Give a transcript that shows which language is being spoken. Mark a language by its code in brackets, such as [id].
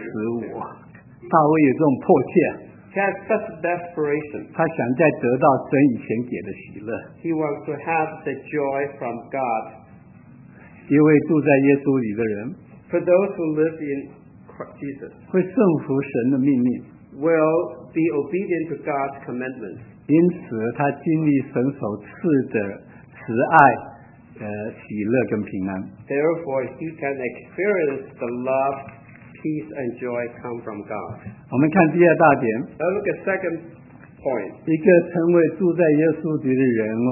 [zh] 求你使我能得救恩之乐，是我锐的灵扶持我。大卫有这种迫切。 [en] He has such desperation. [zh] 他想再得到神以前给的喜乐. [en] He wants to have the joy from God. [zh] 因为住在耶稣里的人。 [en] For those who live in Jesus, [zh] 会顺服神的命令, [en] will be obedient to God's commandments. [zh] 因此他经历神所赐的慈爱, 喜乐跟平安, [en] therefore, he can experience the love, peace, and joy come from God. [zh] 我们看第二大点, [en] Let's look at the second point. [zh] 一个成为住在耶稣里的人,